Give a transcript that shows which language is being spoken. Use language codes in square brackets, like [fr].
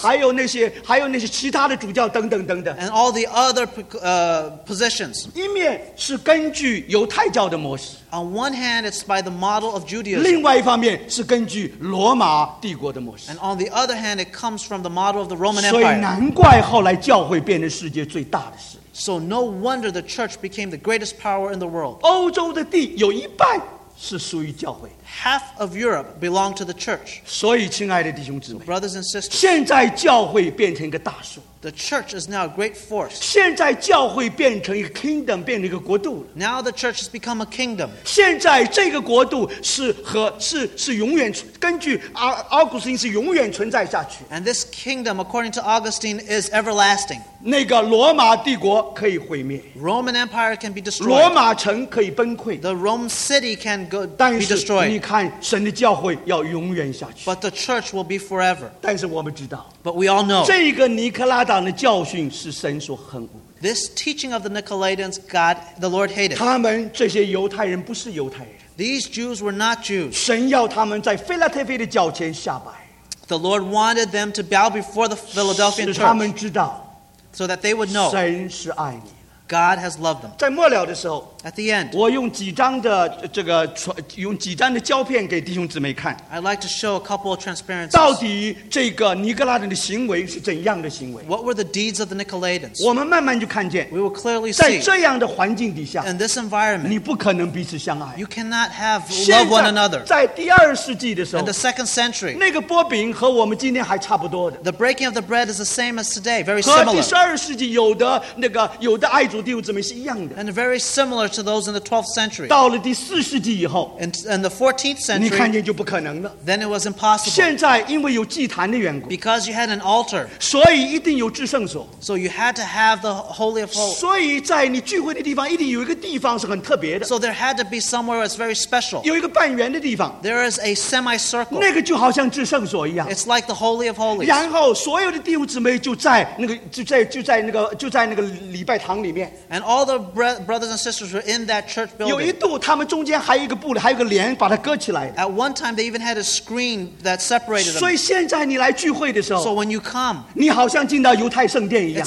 [zh] 还有那些其他的主教等等等等 [en] and all the other positions. [zh] 一面是根据犹太教的模式 [en] on one hand, it's by the model of Judaism. [zh] 另外一方面是根据罗马帝国的模式 [en] and on the other hand, it comes from the model of the Roman Empire. [zh] 所以难怪后来教会变成世界最大的势力 [en] So no wonder the church became the greatest power in the world. [zh] 欧洲的地有一半是属于教会。 [en] Half of Europe belong to the church. [zh] 所以，亲爱的弟兄姊妹 [en] ，brothers and sisters， [zh] 现在教会变成一个大树。 [en] The church is now a great force. [zh] 现在教会变成一个 kingdom， 变成一个国度。 [en] Now the church has become a kingdom. [zh] 现在这个国度是永远根据奥古斯丁是永远存在下去。 [en] And this kingdom, according to Augustine, is everlasting. [zh] 那个罗马帝国可以毁灭。 [en] Roman Empire can be destroyed. [zh] 罗马城可以崩溃。 [en] The Rome city can be destroyed. [zh] 但是你看神的教会要永远下去。 [en] But the church will be forever. [zh] 但是我们知道。 [en] But we all know. [zh] 这个尼克拉党的教训是神所恨恶。 [en] This teaching of the Nicolaitans, God, the Lord hated. [zh] 他们这些犹太人不是犹太人。 [en] These Jews were not Jews. [zh] 神要他们在腓拉特菲的脚前下拜。 [en] The Lord wanted them to bow before the Philadelphian church. [zh] 使他们知道。 [en] So that they would know. [zh] 神是爱你。 [en] God has loved them. [zh] 在末了的时候。 [en] At the end. [zh] 我用几张的这个用几张的胶片给弟兄姊妹看。 [en] I'd like to show a couple of transparencies. [zh] 到底这个尼格拉人的行为是怎样的行为。 [en] What were the deeds of the Nicolaitans? [zh] 我们慢慢就看见。 [en] We will clearly see. [zh] 在这样的环境底下。 [en] In this environment. [zh] 你不可能彼此相爱。 [en] You cannot have love one another. [zh] 在第二世纪的时候。 [en] In the second century. [zh] 那个薄饼和我们今天还差不多的。 [en] The breaking of the bread is the same as today. Very similar. [zh] 和第十二世纪有的那个有的爱主弟兄姊妹是一样的。 [en] And very similar to those in the 12th century. [zh] 到了第四世纪以后。 [en] And the 14th century. [zh] 你看见就不可能了。 [en] Then it was impossible. [zh] 现在因为有祭坛的缘故。 [en] Because you had an altar. [zh] 所以一定有至圣所。 [en] So you had to have the Holy of Holies. [zh] 所以在你聚会的地方一定有一个地方是很特别的。 [en] So there had to be somewhere that's very special. [zh] 有一个半圆的地方。 [en] There is a semicircle. [zh] 那个就好像至圣所一样。 [en] It's like the Holy of Holies. [zh] 然后所有的弟兄姊妹就在那个礼拜堂里面。 [en] And all the brothers and sisters were in that church building. [zh] 有一度他们中间还有一个布帘，还有个帘把它隔起来。 [en] At one time, they even had a screen that separated them. [zh] 所以现在你来聚会的时候 [en] ，So when you come, [zh] 你好像进到犹太圣殿一样。